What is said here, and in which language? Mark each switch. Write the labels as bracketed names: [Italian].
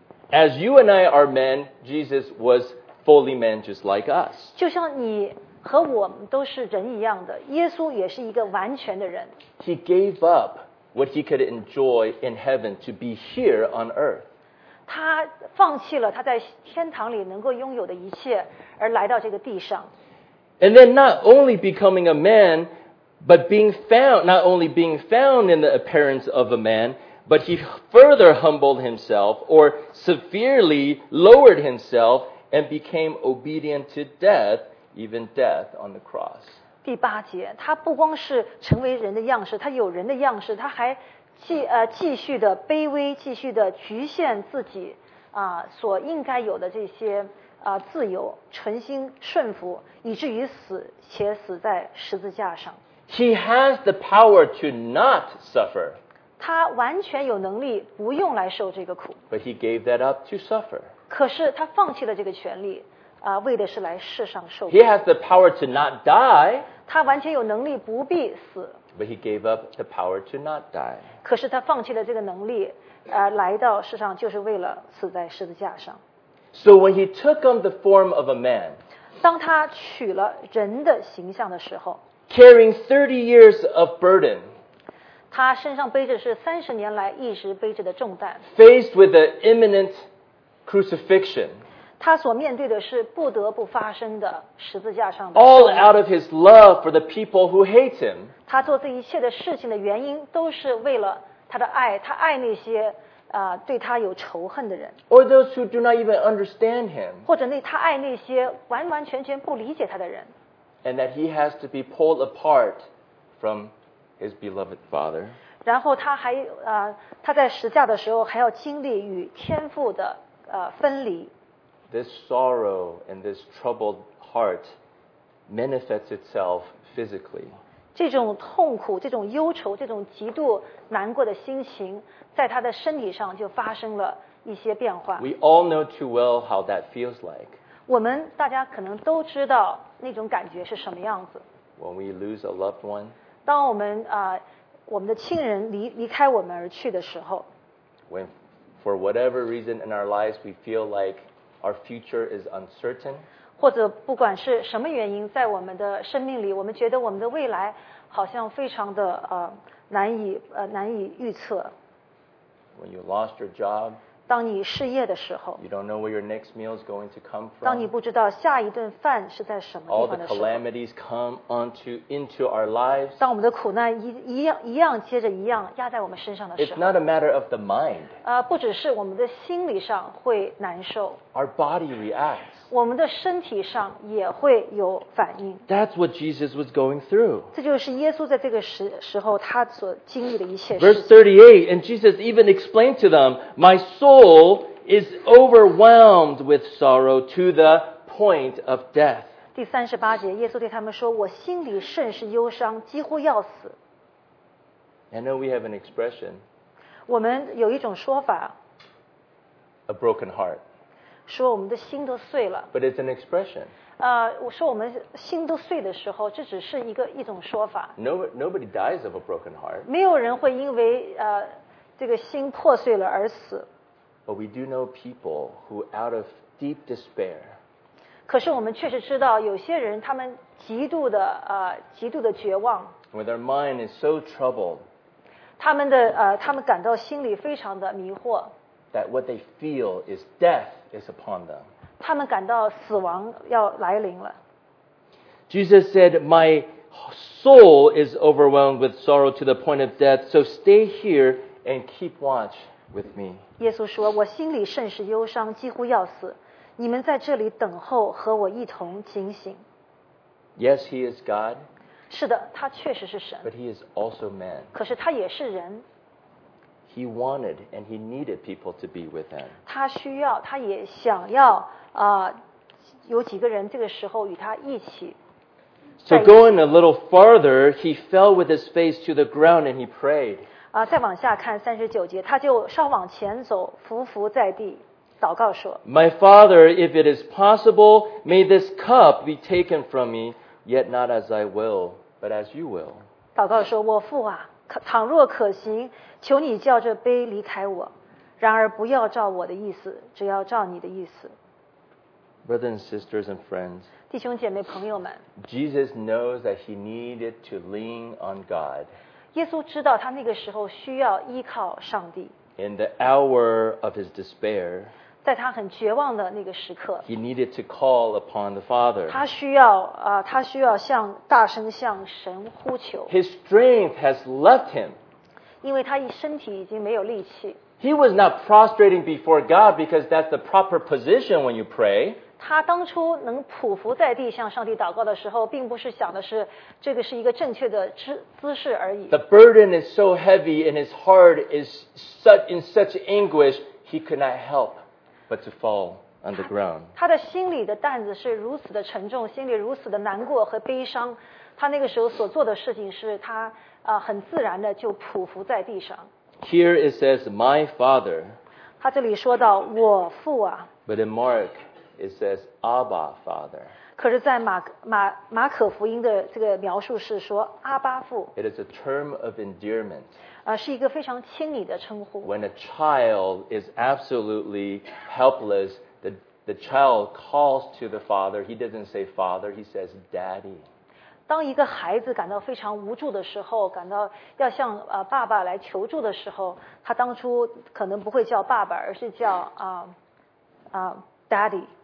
[English] As you and I are men, Jesus was fully man just like us. [Chinese] 就像你和我们都是人一样的，耶稣也是一个完全的人。 [English] He gave up what he could enjoy in heaven to be here on earth. [Chinese] 他放弃了他在天堂里能够拥有的一切，而来到这个地上。 [English] And then not only becoming a man,But being found, not only being found in the appearance of a man, but he further humbled himself or severely lowered himself and became obedient to death, even death on the cross. [Chinese] 第八节，他不光是成为人的样式，他有人的样式，他还继续的卑微，继续的局限自己所应该有的这些自由，存心顺服，以至于死，且死在十字架上。 [English] He has the power to not suffer. [Chinese] 他完全有能力不用来受这个苦。 [English] But he gave that up to suffer. [Chinese] 可是他放弃了这个权利，为的是来世上受苦。 [English] He has the power to not die. [Chinese] 他完全有能力不必死。 [English] But he gave up the power to not die. [Chinese] 可是他放弃了这个能力，来到世上就是为了死在十字架上。 [English] So when he took on the form of a man, [Chinese] 当他取了人的形象的时候， [English] Carrying 30 years of burden. [Chinese] 他身上背着是30年来一直背着的重担。 [English] Faced with the imminent crucifixion. [Chinese] 他所面对的是不得不发生的十字架上的。 [English] All out of his love for the people who hate him. [Chinese] 他做这一切的事情的原因都是为了他的爱，他爱那些对他有仇恨的人。 [English] Or those who do not even understand him. [Chinese] 或者他爱那些完完全全不理解他的人。 [English] And that he has to be pulled apart from his beloved father. [Chinese] 然后他还他在十架的时候还要经历与天父的分离。 [English] This sorrow and this troubled heart manifests itself physically. [Chinese] 这种痛苦、这种忧愁、这种极度难过的心情，在他的身体上就发生了一些变化。 [English] We all know too well how that feels like. [Chinese] 我们大家可能都知道。那种感觉是什么样子？ [English] When we lose a loved one, [Chinese] 当我们我们的亲人离开我们而去的时候， [English] When for whatever reason in our lives we feel like our future is uncertain, [Chinese] 或者不管是什么原因，在我们的生命里，我们觉得我们的未来好像非常的难以预测。 [English] When you lost your job. [Chinese] 当你失业的时候， [English] you don't know where your next meal is going to come from. [Chinese] 当你不知道下一顿饭是在什么地方的时候， [English] all the calamities come onto into our lives. [Chinese] 当我们的苦难一样接着一样压在我们身上的时候， [English] it's not a matter of the mind. [Chinese] 不只是我们的心理上会难受， [English] our body reacts. [Chinese] 我们的身体上也会有反应。 [English] That's what Jesus was going through. [Chinese] 这就是耶稣在这个时候他所经历的一切事。 [English] Verse 38, and Jesus even explained to them, "My soul." Soul is overwhelmed with sorrow to the point of death. [Chinese] 第三十八节，耶稣对他们说：“我心里甚是忧伤，几乎要死。” [English] I know we have an expression. [Chinese] 我们有一种说法。 [English] A broken heart. [Chinese] 说我们的心都碎了。 [English] But it's an expression. [Chinese] 我说我们心都碎的时候，这只是一种说法。 [English] Nobody dies of a broken heart. [Chinese] 没有人会因为这个心破碎了而死。 [English] But we do know people who, out of deep despair, [Chinese] 可是我们确实知道有些人他们极度的绝望。 [English] When their mind is so troubled, [Chinese] 他们感到心里非常的迷惑。 [English] That what they feel is death is upon them. [Chinese] 他们感到死亡要来临了。 [English] Jesus said, "My soul is overwhelmed with sorrow to the point of death. So stay here and keep watch with me." [Chinese] 耶稣说，我心里甚是忧伤，几乎要死。你们在这里等候，和我一同警醒。 [English] Yes, he is God. [Chinese] 是的，他确实是神。 [English] But he is also man. [Chinese] 可是他也是人。 [English] He wanted and he needed people to be with him. [Chinese] 他需要，他也想要啊，有几个人这个时候与他一起。 [English] So going a little farther, he fell with his face to the ground and he prayed. [Chinese] 啊，再往下看三十九节，他就稍往前走，伏伏在地。祷告说 [English] My father, if it is possible, may this cup be taken from me, yet not as I will, but as you will. [Chinese] 祷告说我父啊倘若可行求你叫这杯离开我然而不要照我的意思只要照你的意思。 [English] Brothers and sisters and friends, [Chinese] 弟兄姐妹朋友们 [English] Jesus knows that he needed to lean on God. [Chinese] 耶稣知道他那个时候需要依靠上帝。 [English] In the hour of his despair, [Chinese] 在他很绝望的那个时刻 [English] he needed to call upon the Father. [Chinese] 他需要向大声向神呼求。 [English] His strength has left him. [Chinese] 因为他身体已经没有力气。 [English] He was not prostrating before God because that's the proper position when you pray. [Chinese] 他当初能匍匐在地向上帝祷告的时候并不是想的是这个是一个正确的姿势而已。 [English] The burden is so heavy and his heart is in such anguish, he could not help but to fall on the ground. [Chinese] 他的心里的担子是如此的沉重心里如此的难过和悲伤他那个时候所做的事情是他很自然的就匍匐在地上。 [English] Here it says, my father. [Chinese] 他这里说到我父啊。 [English] But in Mark, it says, Abba, father. [Chinese] 可是在马可福音的这个描述是说阿巴父。 [English] It is a term of endearment. [Chinese] 是一个非常亲昵的称呼。 [English] When a child is absolutely helpless, the child calls to the father. He doesn't say father, he says daddy. [Chinese] 当一个孩子感到非常无助的时候感到要向爸爸来求助的时候他当初可能不会叫爸爸而是叫daddy.